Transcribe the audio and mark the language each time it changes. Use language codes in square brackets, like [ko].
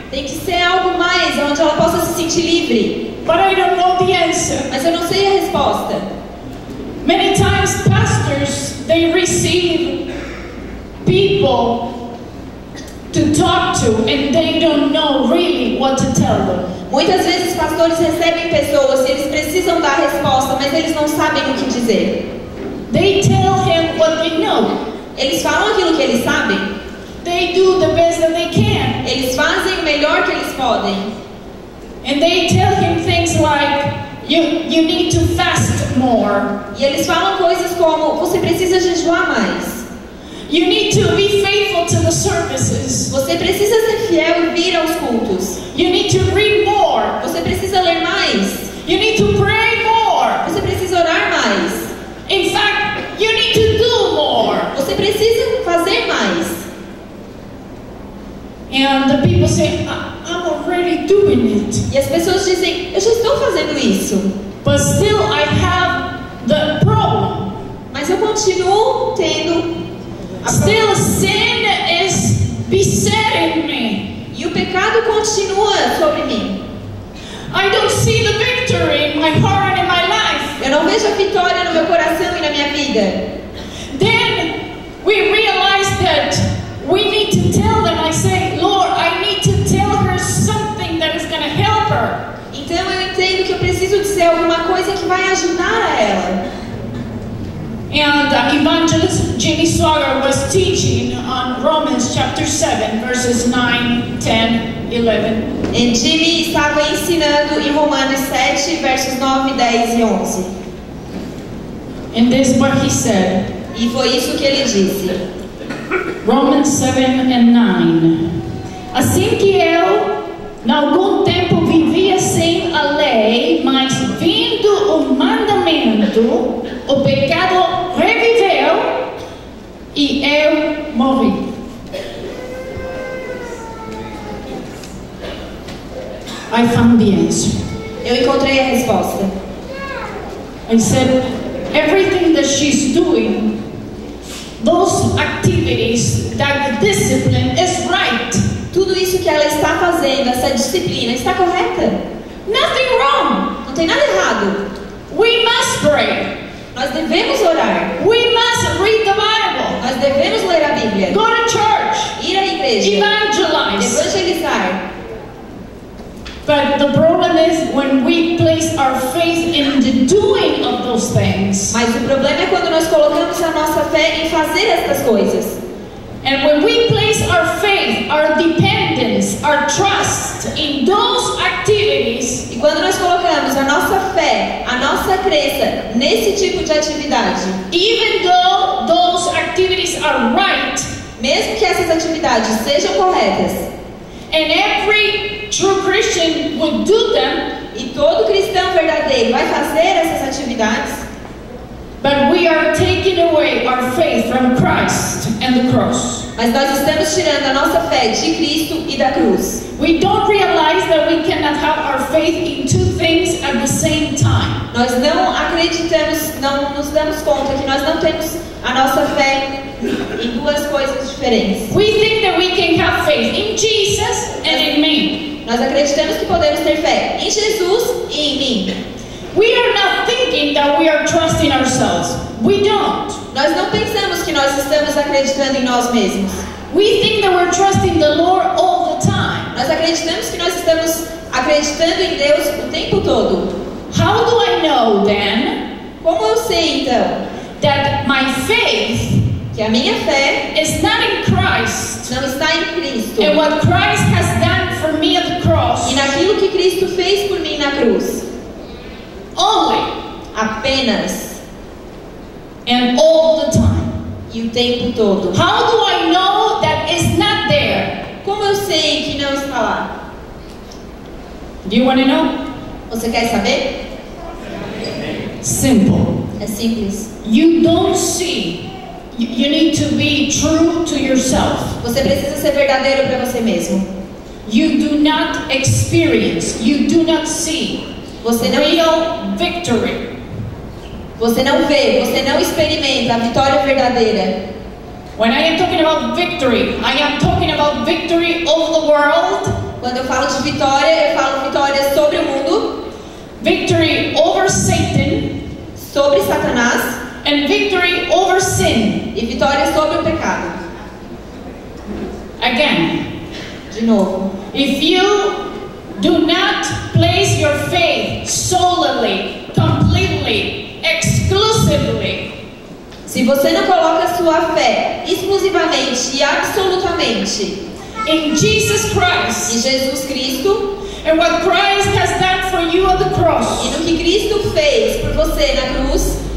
[pt] Tem que ser algo mais onde ela possa se sentir livre. [en] But I don't know the answer. [pt] Mas eu não sei a resposta. [en] Many times pastors they receive people to talk to and they don't know really what to tell them. [pt] Muitas vezes pastores recebem pessoas e eles precisam dar resposta, mas eles não sabem o que dizer. [en] They tell him what they know. [pt] Eles falam aquilo que eles sabem. [en] They do the best that they can. [pt] Eles fazem o melhor que eles podem. [en] And they tell him things like you need to fast more. [pt] E eles falam coisas como você precisa jejuar mais. [en] You need to be faithful to the services. [pt] Você precisa ser fiel e vir aos cultos. [en] You need to read more. [pt] Você precisa ler mais. [en] You need to pray more. [pt] Você precisa orar mais. [en] In fact, you need to do more. [pt] Você precisa fazer mais. [en] And the people say, I'm already doing it. [pt] E as pessoas dizem, eu já estou fazendo isso. [en] But still I have the problem. [pt] Mas eu continuo tendo. [en] Still sin is besetting me. [pt] E o pecado continua sobre mim. [en] I don't see the victory in my heart and in my life. [pt] Eu não vejo a vitória no meu coração e na minha vida. [en] Then we realize that we need to tell them. I say, Lord, I need to tell her something that is going to help her. [pt] Então eu entendo que eu preciso dizer alguma coisa que vai ajudar a ela. [en] And evangelist Jimmy Swaggart was teaching on Romans chapter 7, verses 9, 10, 11. [pt] E Jimmy estava ensinando em Romanos 7, versos 9, 10 e 11. [en] And this is what he said. [pt] E foi isso que ele disse. [en] Romans 7 and 9. [pt] Assim que eu, em algum tempo, vivia sem a lei, mas vindo o mandamento, o pecado reviveu e eu morri. [en] I found the answer. [pt] Eu encontrei a resposta. [en] I said, everything that she's doing, those activities, that discipline is right. [pt] Tudo isso que ela está fazendo, essa disciplina, está correta? [en] Nothing wrong. [pt] Não tem nada errado. [en] We must pray. [pt] Nós devemos orar. [en] We must read the Bible. [pt] Nós devemos ler a Bíblia. [en] Go to church. [pt] Ir à igreja. [en] Evangelize. [pt] Evangelizar. [en] But the problem is when we place our faith in the doing of those things. [pt] Mas o problema é quando nós colocamos a nossa fé em fazer essas coisas. [en] And when we place our faith, our dependence, our trust in those activities, [pt] e quando nós colocamos a nossa fé, a nossa crença nesse tipo de atividade, [en] even though those activities are right, [pt] mesmo que essas atividades sejam corretas, [en] and every true Christian would do them, [pt] e todo cristão verdadeiro vai fazer essas atividades, [en] but we are taking away our faith from Christ and the cross. [pt] Mas nós estamos tirando a nossa fé de Cristo e da cruz. [en] We don't realize that we cannot have our faith in two things at the same time. [pt] Nós não acreditamos, não nos damos conta que nós não temos a nossa fé em duas coisas diferentes. [en] We think that we can have faith in Jesus and in me. [pt] Nós acreditamos que podemos ter fé em Jesus e em mim. [en] We are not thinking that we are trusting ourselves. We don't. [pt] Nós não pensamos que nós estamos acreditando em nós mesmos. [en] We think that we're trusting the Lord all the time. [pt] Nós acreditamos que nós estamos acreditando em Deus o tempo todo. [en] How do I know then? [pt] Como eu sei então? [en] That my faith, [pt] que a minha fé, [en] is not in Christ. [pt] Não está em Cristo. [en] And what Christ has done for me at the cross. [pt] E naquilo que Cristo fez por mim na cruz. [en] Only, [pt] apenas, [en] and all the time, [pt] e o tempo todo. [en] How do I know that it's not there? [pt] Como eu sei que não está lá? [en] Do you want to know? [pt] Você quer saber? [en] Simple. [pt] É simples. [en] You don't see. You need to be true to yourself. [pt] Você precisa ser verdadeiro para você mesmo. [en] You do not experience. You do not see. [pt] Você não [en] real victory. [pt] Você não vê, você não experimenta a vitória verdadeira. [en] When I am talking about victory, I am talking about victory over the world. [pt] Quando eu falo de vitória, eu falo vitória sobre o mundo. [en] Victory over Satan, [pt] sobre Satanás. [en] And victory over sin, [pt] e vitória sobre o pecado. [en] Again, [pt] de novo. [en] If you do not place your faith solely, completely, exclusively, [pt] se você não coloca sua fé exclusivamente e absolutamente [en] in Jesus Christ, [pt] em Jesus Cristo, [en] and what Christ has done for you on the cross, [pt] e no que Cristo fez por você na cruz,